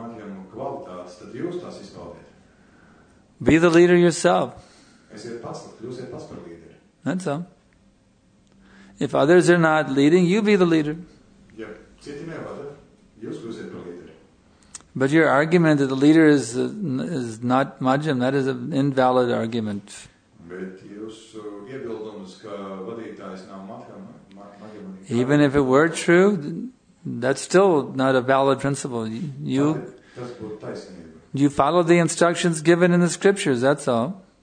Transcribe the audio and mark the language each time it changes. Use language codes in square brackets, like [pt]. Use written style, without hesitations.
[lv] izpildītās, tad jūs tās izpildiet. [en] Be the leader yourself. [lv] Esiet pats, jūs esat pats par līderi. [en] That's all. If others are not leading, you be the leader. [lv] Ja citi nevada, jūs būsiet par līderi. [en] But your argument that the leader is not majam, that is an invalid argument. [lv] Bet jūs iebildums, ka vadītājs nav matkam, [en] even if it were true, that's still not a valid principle. You, you follow the instructions given in the scriptures, that's all.